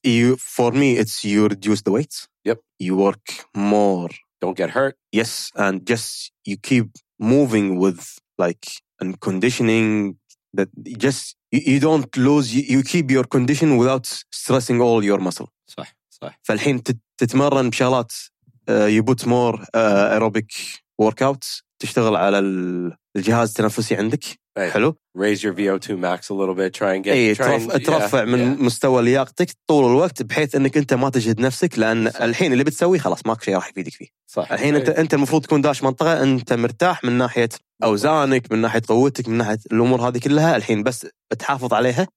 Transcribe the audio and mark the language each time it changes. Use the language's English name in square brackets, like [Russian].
[English] you for me it's you reduce the weights yep you work more don't get hurt. Yes, and just you keep moving with like and conditioning that just you don't lose, you keep your condition without stressing all your muscle. [Arabic] صح صح. فالحين تتمرن بشغلات [English] you put more aerobic workouts, [Arabic] تشتغل على الجهاز التنفسي عندك. [English] Right. [Arabic] حلو. [English] Raise your VO2 max a little bit, try and get [Arabic] ترفع yeah, من yeah. مستوى لياقتك طول الوقت بحيث انك انت ما تجهد نفسك لان صح. الحين اللي بتسويه خلاص ماك شيء راح يفيدك فيه. صح. الحين right. انت المفروض تكون داش منطقة انت مرتاح من ناحية اوزانك من ناحية قوتك من ناحية الامور هذه كلها الحين بس تحافظ عليها.